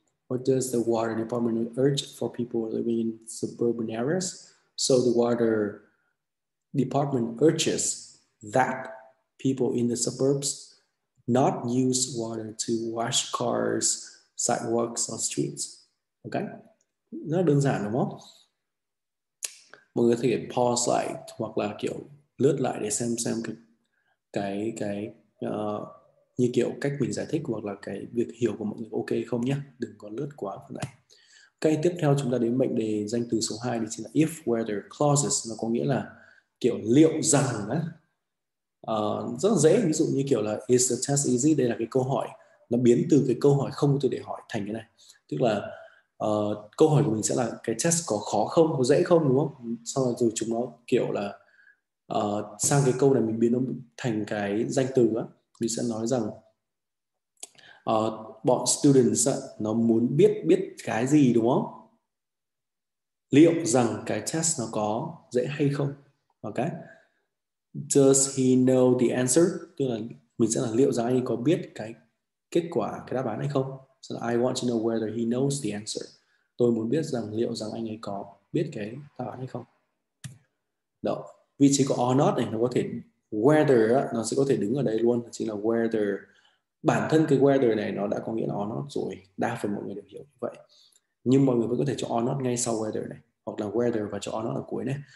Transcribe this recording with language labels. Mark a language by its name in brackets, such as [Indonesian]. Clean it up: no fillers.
[English] What does the water department urge for people living in suburban areas? So the water department urges that people in the suburbs not use water to wash cars, sidewalks or streets. [Vietnamese] Okay? Rất đơn giản đúng không? Mọi người có thể pause lại hoặc là kiểu lướt lại để xem cái như kiểu cách mình giải thích hoặc là cái việc hiểu của mọi người ok không nhé. Đừng có lướt quá phần này. Okay, tiếp theo chúng ta đến mệnh đề danh từ số 2 thì chính là [English] if whether clauses. [Vietnamese] Nó có nghĩa là kiểu liệu rằng á. Rất là dễ, ví dụ như kiểu là [English] is the test easy? [Vietnamese] Đây là cái câu hỏi, nó biến từ cái câu hỏi không từ để hỏi thành cái này. Tức là câu hỏi của mình sẽ là cái test có khó không, có dễ không, đúng không? Sau đó chúng nó kiểu là sang cái câu này mình biến nó thành cái danh từ á. Mình sẽ nói rằng bọn students nó muốn biết cái gì, đúng không? Liệu rằng cái test nó có dễ hay không? Ok. [English] Does he know the answer? [Vietnamese] Tức là mình sẽ là liệu rằng anh có biết cái kết quả cái đáp án hay không. [English] So I want to know whether he knows the answer. [Vietnamese] Tôi muốn biết rằng liệu rằng anh ấy có biết cái đáp án hay không. Đó, vị trí của or not này nó có thể whether, nó sẽ có thể đứng ở đây luôn, chính là whether. Bản thân cái whether này nó đã có nghĩa là or not rồi, đa phần mọi người đều hiểu như vậy. Nhưng mọi người vẫn có thể cho or not ngay sau whether này, hoặc là whether và cho or not ở cuối này.